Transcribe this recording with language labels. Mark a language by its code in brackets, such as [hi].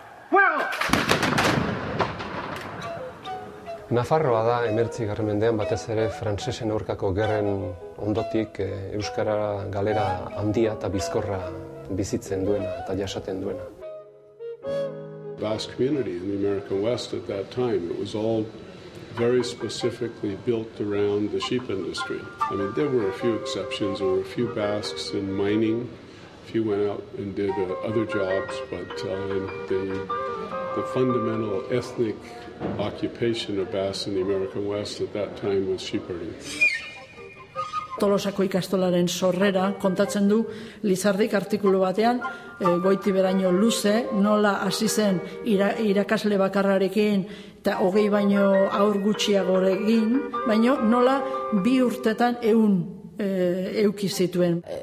[es] Fuego! [eu] Nafarroa da 19. mendean batez ere frantsesen aurkako gerren ondotik euskara galera handia eta bizkorra bizitzen duena eta jasaten duena. [en] Basque community in the American West at that time, it was all very specifically built around the sheep industry. I mean, there were a few exceptions, there were a few Basques in mining, a few went out and did other jobs, but the fundamental ethnic occupation of Bass in the American West at that time was shepherding. [eu] Tolosako ikastolaren sorrera kontatzen du Lizardik artikulu batean, goiti beraino luze, nola hasi zen irakasle bakarrarekin eta 20 baino aur gutxiagorekin, baino nola bi urtetan 100 euki zituen.